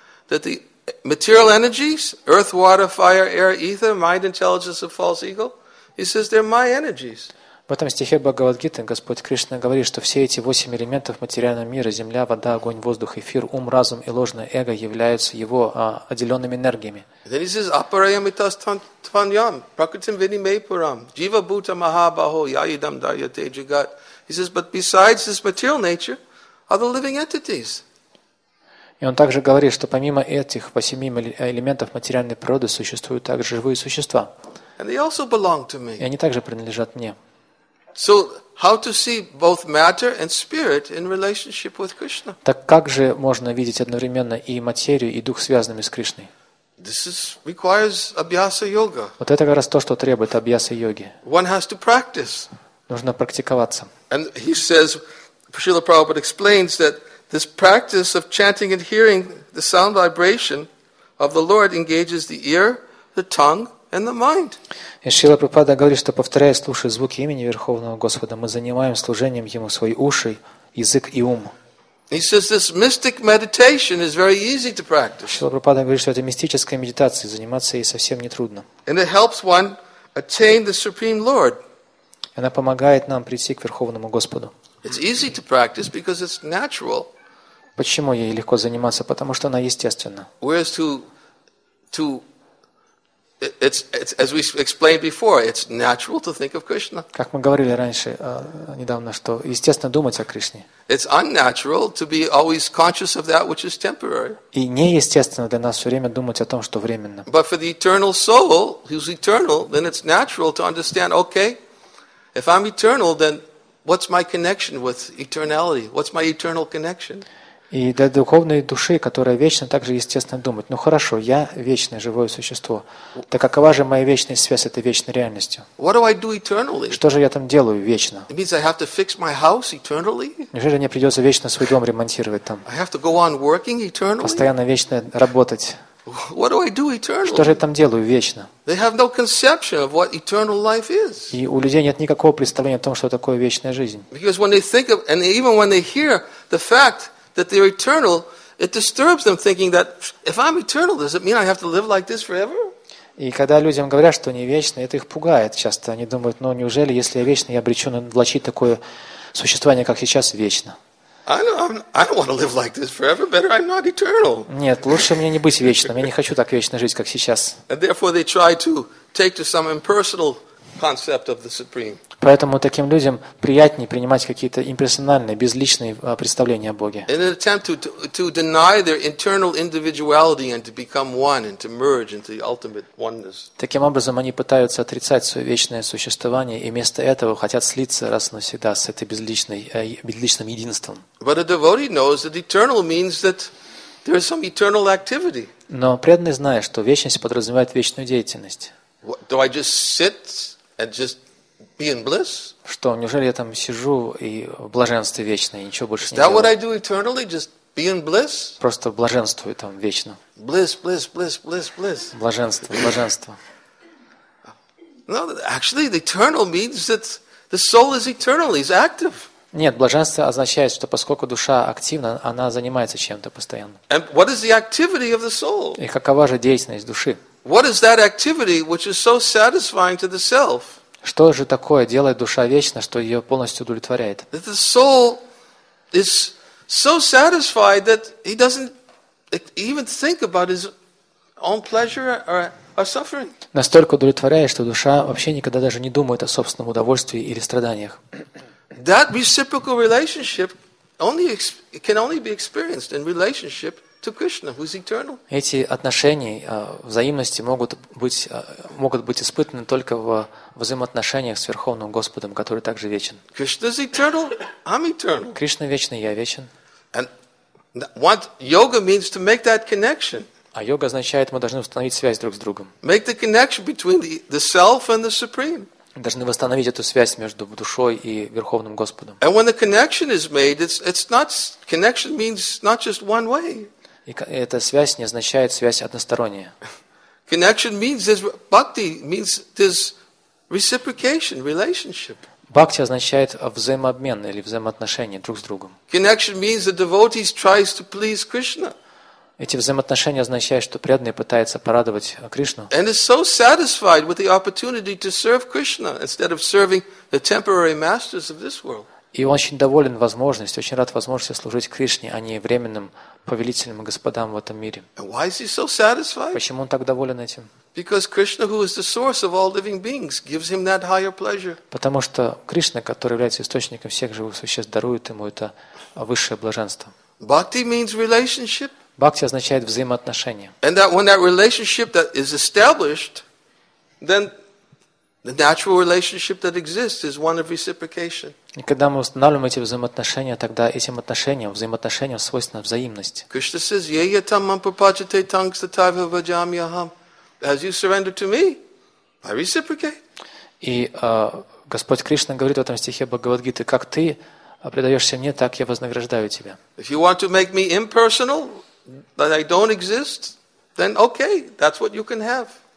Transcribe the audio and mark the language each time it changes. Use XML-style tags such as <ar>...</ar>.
<en>That the material energies, earth, water, fire, air, ether, mind, intelligence of false ego, he says they're my energies.</en> <ru>В этом стихе Бхагавад-гиты Господь Кришна говорит, что все эти восемь элементов материального мира – земля, вода, огонь, воздух, эфир, ум, разум и ложное эго – являются его отделенными энергиями.</ru> <en>Then he says,</en> <sa>«Апараям итас тваньям, пракритим вини мейпурам, джива бута маха бахо, яидам дарьяте джигат».</sa> <en>He says, «But besides this material nature are the living entities».</en> <ru>И он также говорит, что помимо этих восьми элементов материальной природы существуют также живые существа.</ru> <en>And they also belong to me.</en> <ru>И они также принадлежат мне.</ru> <en>So, how to see both matter and spirit in relationship with Krishna?</en> <ru>Так как же можно видеть одновременно и материю, и дух, связанными с Кришной?</ru> <en>This is, requires abhyasa yoga.</en> <ru>Вот это как раз то, что требует абьяса йоги.</ru> <en>One has to practice.</en> <ru>Нужно практиковаться.</ru> <en>And he says, Srila Prabhupada explains that this practice of chanting and hearing the sound vibration of the Lord engages the ear, the tongue, and the mind.</en> <ru>И Шрила Прабхупада говорит, что повторяя, слушая звуки имени Верховного Господа, мы занимаем служением Ему свои уши, язык и ум.</ru> <en>He says this mystic meditation is very easy to practice.</en> <ru>Шрила Прабхупада говорит, что это мистическая медитация, заниматься ей совсем не трудно.</ru> <en>And it helps one attain the Supreme Lord.</en> <ru>Она помогает нам прийти к Верховному Господу.</ru> <en>It's easy to practice because it's natural.</en> <ru>Почему ей легко заниматься? Потому что она естественна.</ru> <en>Whereas to It's as we explained before. It's natural to think of Krishna.</en> <ru>Как мы говорили раньше, недавно, что естественно думать о Кришне.</ru> <en>It's unnatural to be always conscious of that which is temporary.</en> <ru>И неестественно для нас все время думать о том, что временно.</ru> <en>But for the eternal soul, who's eternal, then it's natural to understand. Okay, if I'm eternal, then what's my connection with eternality? What's my eternal connection?</en> <ru>И для духовной души, которая вечна, также естественно думать, ну хорошо, я вечное живое существо, так какова же моя вечная связь с этой вечной реальностью?</ru> <en>What do I do eternally?</en> <ru>Что же я там делаю вечно?</ru> <en>It means I have to fix my house eternally?</en> <ru>Неужели мне придется вечно свой дом ремонтировать там?</ru> <en>I have to go on working eternally?</en> <ru>Постоянно вечно работать.</ru> <en>What do I do eternally?</en> <ru>Что же я там делаю вечно?</ru> <en>They have no conception of what eternal life is.</en> <ru>И у людей нет никакого представления о том, что такое вечная жизнь.</ru> <en>Because when they think of, and even when they hear the fact that they're eternal, it disturbs them thinking that if I'm eternal, does it mean I have to live like this forever?</en> <ru>И когда людям говорят, что они вечны, это их пугает часто. Они думают, ну неужели, если я вечный, я обречен влачить такое существование, как сейчас, вечно?</ru> <en>I don't want to live like this forever. Better I'm not eternal.</en> <ru>Нет, лучше мне не быть вечным. Я не хочу так вечно жить, как сейчас.</ru> <en>And therefore they try to take to some impersonal concept of the Supreme.</en> <ru>Поэтому таким людям приятнее принимать какие-то имперсональные, безличные представления о Боге.</ru> <en>In an attempt to deny their internal individuality and to become one and to merge into the ultimate oneness.</en> <ru>Таким образом, они пытаются отрицать свое вечное существование и вместо этого хотят слиться раз и навсегда с этой безличным единством.</ru> <en>But a devotee knows that eternal means that there is some eternal activity.</en> <ru>Но преданный знает, что вечность подразумевает вечную деятельность.</ru> <en>Do I just sit and just be in bliss?</en> <ru>Что, неужели я там сижу и в блаженстве вечно, и ничего больше не делаю?</ru> <en>Is that what I do eternally? Just be in bliss?</en> <ru>Просто блаженствую там вечно.</ru> <en>Bliss, bliss, bliss, bliss, bliss.</en> <ru>Блаженство, блаженство.</ru> <en>No, actually, the eternal means that the soul is eternal, is active.</en> <ru>Нет, блаженство означает, что поскольку душа активна, она занимается чем-то постоянно.</ru> <en>And what is the activity of the soul?</en> <ru>И какова же деятельность души?</ru> <en>What is that activity which is so satisfying to the self?</en> <ru>Что же такое делает душа вечно, что ее полностью удовлетворяет?</ru> <en>The soul is so satisfied that he doesn't even think about his own pleasure or suffering.</en> <ru>Настолько удовлетворяет, что душа вообще никогда даже не думает о собственном удовольствии или страданиях.</ru> <en>That reciprocal relationship can only be experienced in relationship to Krishna, who is eternal.</en> <ru>Эти отношения взаимности могут быть испытаны только в взаимоотношениях с Верховным Господом, который также вечен.</ru> <en>Krishna is eternal, I'm eternal.</en> <ru>Кришна вечный, я вечен.</ru> <en>And what yoga means to make that connection.</en> <ru>А йога означает, мы должны установить связь друг с другом.</ru> <en>Make the connection between the self and the Supreme.</en> <ru>Должны восстановить эту связь между душой и Верховным Господом.</ru> <en>And when the connection is made, it's not connection means not just one way.</en> <ru>И эта связь не означает связь односторонняя.</ru> <en>Connection means there's bhakti, means there's reciprocation, relationship.</en> <ru>Бхакти означает взаимообмен или взаимоотношения друг с другом.</ru> <en>Connection means that devotees tries to please Krishna.</en> <ru>Эти взаимоотношения означают, что преданный пытается порадовать Кришну.</ru> <en>And is so satisfied with the opportunity to serve Krishna instead of serving the temporary masters of this world.</en> <ru>И он очень доволен возможностью, очень рад возможности служить Кришне, а не временным повелителям и господам в этом мире.</ru> <en>And why is he so satisfied?</en> <ru>Почему он так доволен этим?</ru> <en>Because Krishna, who is the source of all living beings, gives him that higher pleasure.</en> <ru>Потому что Кришна, который является источником всех живых существ, дарует ему это высшее блаженство.</ru> <en>Bhakti means relationship.</en> <ru>Бхакти означает взаимоотношения.</ru> <en>And that when that relationship that is established, then the natural relationship that exists is one of reciprocation.</en> <ru>И когда мы устанавливаем эти взаимоотношения, тогда этим отношениям, взаимоотношениям свойственна взаимность.</ru> <en>Krishna says,</en> <sa>"Yeya tam mam prapachate tangstatava vajamyaham."</sa> <en>As you surrender to me, I reciprocate.</en> <ru>И Господь Кришна говорит в этом стихе Бхагавад-гиты, как ты предаешься мне, так я вознаграждаю тебя.</ru> <en>If you want to make me impersonal, that I don't exist, then okay, that's what you can have.</en>